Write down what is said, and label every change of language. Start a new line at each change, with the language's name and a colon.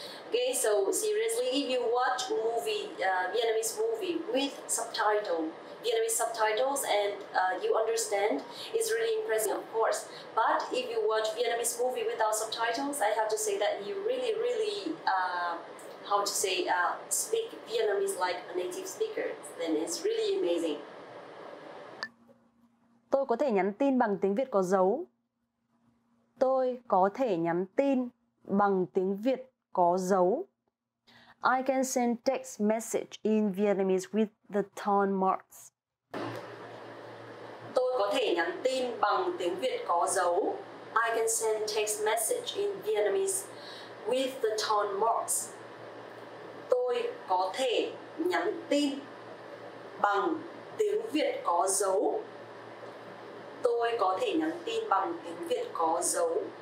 English: Okay, so seriously, if you watch movie Vietnamese movie with subtitle, Vietnamese subtitles, and you understand, it's really impressive, of course. But if you watch Vietnamese movie without subtitles, I have to say that you really speak Vietnamese like a native speaker, then it's really amazing.
Vietnamese: Tôi có thể nhắn tin bằng tiếng Việt có dấu. Tôi có thể nhắn tin bằng tiếng Việt có dấu.
English: I can send text message in Vietnamese with the tone marks.
Vietnamese: Tôi có thể nhắn tin bằng tiếng Việt có dấu.
English: I can send text message in Vietnamese with the tone marks.
Vietnamese: Tôi có thể nhắn tin bằng tiếng Việt có dấu. Tôi có thể nhắn tin bằng tiếng Việt có dấu.